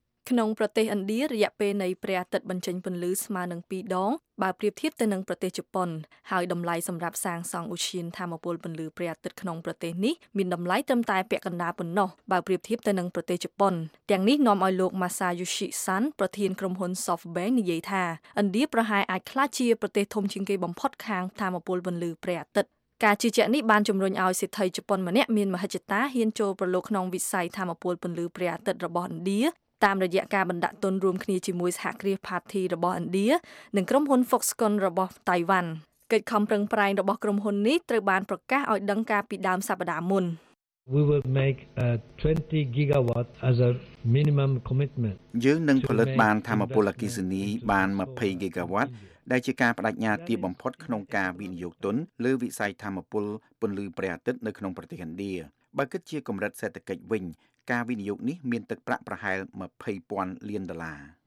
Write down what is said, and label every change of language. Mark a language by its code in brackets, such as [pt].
[km] ក្នុងប្រទេសឥណ្ឌារយៈពេលនៃព្រះអាទិត្យបញ្ចេញពន្លឺស្មើនឹង2ដងបើប្រៀបធៀបទៅនឹងប្រទេសជប៉ុនហើយតម្លៃសម្រាប់សាងសង់ឧឈានធម្មពលពន្លឺព្រះអាទិត្យក្នុងប្រទេសនេះមានតម្លៃត្រឹមតែពាក់កណ្ដាលប៉ុណ្ណោះបើប្រៀបធៀបទៅនឹងប្រទេសជប៉ុនទាំងនេះនាំឲ្យលោក Masayoshi San ប្រធានក្រុមហ៊ុន SoftBank និយាយថាឥណ្ឌាប្រហែលអាចក្លាយជាប្រទេសធំជាងគេបំផុតខាងធម្មពលពន្លឺព្រះអាទិត្យការជឿជាក់នេះបានជំរុញឲ្យសិទ្ធិជប៉ុនម្នាក់មានមហិច្ឆតាហ៊ានចូលប្រឡូកក្នុងវិស័យធម្មពលពន្លឺព្រះអាទិត្យរបស់ឥណ្ឌា តាមរយៈការបណ្ដាក់ទុនរួមគ្នាជាមួយសហគ្រាសផាធីរបស់ឥណ្ឌានិងក្រុមហ៊ុន Foxconn របស់តៃវ៉ាន់កិច្ចខំប្រឹងប្រែងរបស់ក្រុមហ៊ុននេះត្រូវបានប្រកាសឲ្យដឹងការពីដើមសប្ដាហ៍មុន [en] We will make a 20 gigawatt as a minimum commitment [km] យើងនឹងផលិតបានធម្មពលអគ្គិសនីបាន20 gigawatt ដែលជាការបដិញ្ញាទីបំផុតក្នុងការវិនិយោគទុនលើវិស័យធម្មពលពន្លឺព្រះអាទិត្យនៅក្នុងប្រទេសឥណ្ឌាបើគិតជាកម្រិតសេដ្ឋកិច្ចវិញការវិនិយោគនេះមានទឹកប្រាក់ប្រហែល 20,000 លានដុល្លារ